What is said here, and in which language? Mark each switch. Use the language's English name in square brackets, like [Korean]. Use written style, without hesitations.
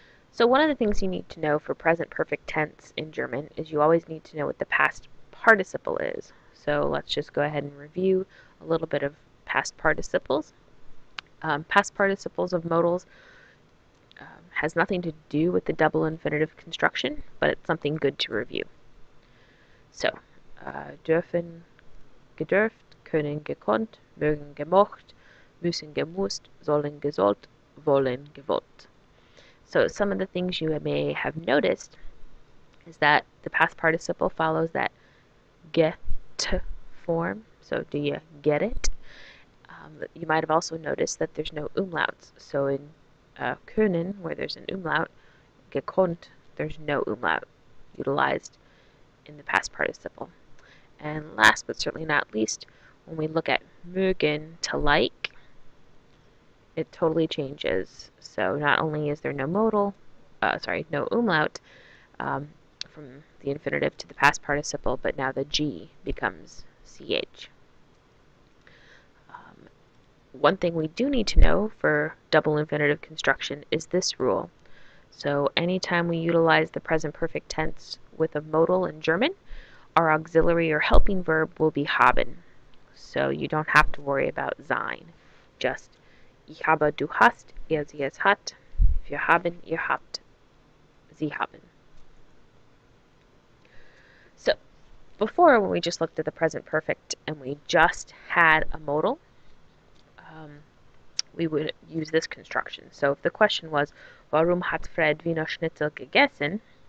[English] So one of the things you need to know for present perfect tense in German is you always need to know what the past participle is. So let's just go ahead and review a little bit of past participles. Past participles of modals has nothing to do with the double infinitive construction, but it's something good to review. [German] So, dürfen, gedürft, können, gekonnt, mögen, gemocht, müssen, gemusst, sollen, gesollt, wollen, gewollt. [English] So some of the things you may have noticed is that the past participle follows that get form. So do you get it? You might have also noticed that there's no umlauts. So in können, where there's an umlaut, gekonnt, there's no umlaut utilized in the past participle. And last but certainly not least, when we look at mögen, to like, it totally changes. So not only is there no modal, no umlaut from the infinitive to the past participle, but now the G becomes CH. One thing we do need to know for double infinitive construction is this rule. So anytime we utilize the present perfect tense with a modal in German, our auxiliary or helping verb will be haben. So you don't have to worry about sein. [German] Just ich habe, du hast, sie es hat, wir haben, ihr habt, sie haben. [English] So before, when we just looked at the present perfect and we just had a modal, we would use this construction. So if the question was, [German] warum hat Fred Wiener Schnitzel gegessen?